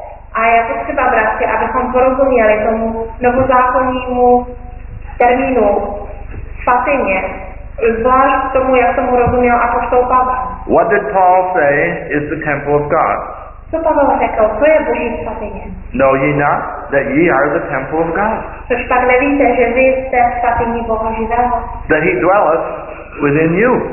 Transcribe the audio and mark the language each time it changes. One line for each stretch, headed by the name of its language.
Czech: A je potřeba, bratři, abychom porozuměli tomu novozákonnímu termínu svatyně, zvlášť tomu, jak tomu rozuměl apoštol Pavel.
English: What did Paul say is the temple of God?
Czech: Co Pavel řekl, co je Boží svatyně?
English: Know ye not that ye are the temple of God?
Czech: Což pak nevíte, že vy jste svatyní Boha živého?
English: That he dwelleth within you.